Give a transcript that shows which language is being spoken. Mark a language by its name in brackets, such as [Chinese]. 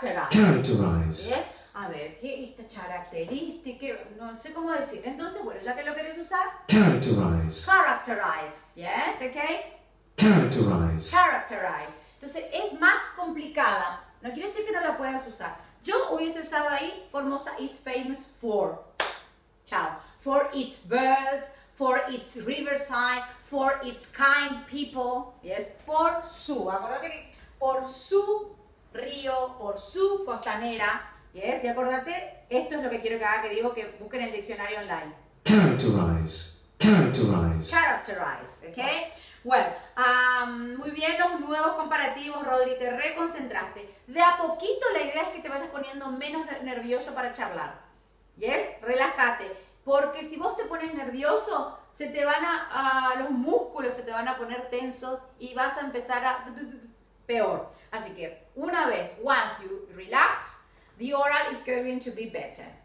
[Spanish] Characterize. ¿Eh? A ver, ¿qué es esta característica? No sé cómo decir. Entonces, bueno, ya que lo querés usar. [English] Characterize. Characterize. ¿Yes? ¿Ok? Characterize. [Spanish] Characterize. Entonces, es más complicada. No quiere decir que no la puedas usar. Yo hubiese usado ahí, [English] Formosa is famous for. [Spanish] Chao. [English] For its birds, for its riverside, for its kind people. [Spanish] ¿Yes? Por su. Acuérdate que por su río, por su costanera. ¿Yes? Y acordate, esto es lo que quiero que haga, que digo que busquen el diccionario online. [English] Characterize. Characterize. Characterize. ¿Ok? [Spanish] Bueno, muy bien los nuevos comparativos, Rodri, te reconcentraste. De a poquito la idea es que te vayas poniendo menos nervioso para charlar. ¿Yes? Relájate. Porque si vos te pones nervioso, se te van a... los músculos se te van a poner tensos y vas a empezar a... peor. Así que, una vez, [English] once you relax, the oral is going to be better.